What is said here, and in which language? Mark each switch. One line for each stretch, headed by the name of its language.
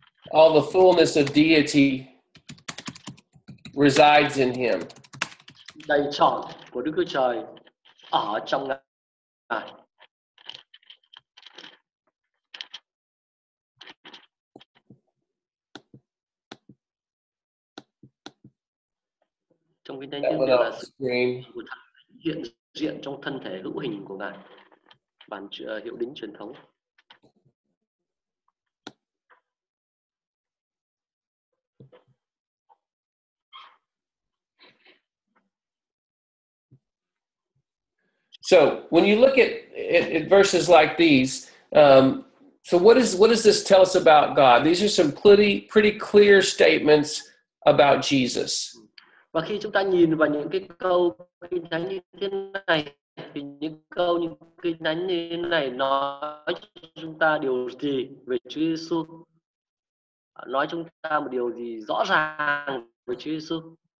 English: All the fullness of deity resides in him.
Vietnamese: Đầy trọn của Đức Chúa Trời ở trong Ngài. Trong kinh thánh là sự hiện diện trong thân thể hữu hình của Ngài, bản hiệu đính truyền thống.
English: So when you look at verses like these, so what does this tell us about God? These are some pretty clear statements about Jesus.
Vietnamese: Và khi chúng ta nhìn vào những cái câu kinh thánh như thế này, thì những kinh thánh như thế này nói cho chúng ta điều gì về Chúa Giêsu? Nói chúng ta một điều gì rõ ràng về Chúa Giêsu?